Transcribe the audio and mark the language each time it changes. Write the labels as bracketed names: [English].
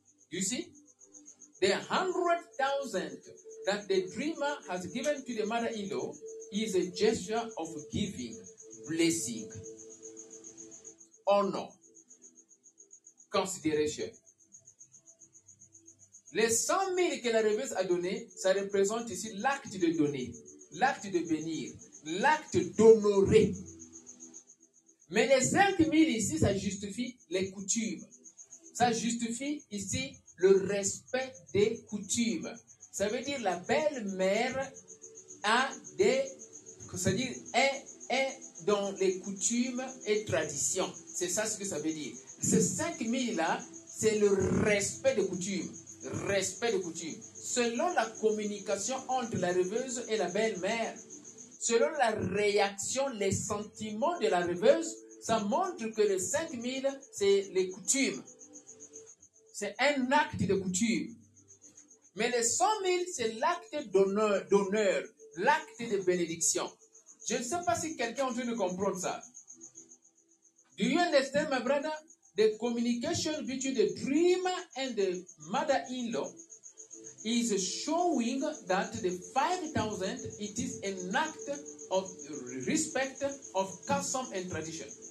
[English] You see, the 100,000 that the dreamer has given to the mother-in-law is a gesture of giving, blessing, honor, consideration. [French] Les 100 000 que la rêveuse a donné, ça représente ici l'acte de donner, l'acte de bénir, l'acte d'honorer. Mais les 5 000 ici, ça justifie les coutumes. Ça justifie ici le respect des coutumes. Ça veut dire la belle-mère a des, c'est-à-dire est dans les coutumes et traditions. C'est ça ce que ça veut dire. Ces 5 000 là, c'est le respect des coutumes. Respect des coutumes. Selon la communication entre la rêveuse et la belle-mère, selon la réaction, les sentiments de la rêveuse, ça montre que les 5 000, c'est les coutumes. c'est un acte de coutume. Mais les 100 000, c'est l'acte d'honneur, l'acte de bénédiction. Je ne sais pas si quelqu'un est en train de comprendre ça. [English] Do you understand, my brother? The communication between the dreamer and the mother-in-law is showing that the 5,000, it is an act of respect of custom and tradition.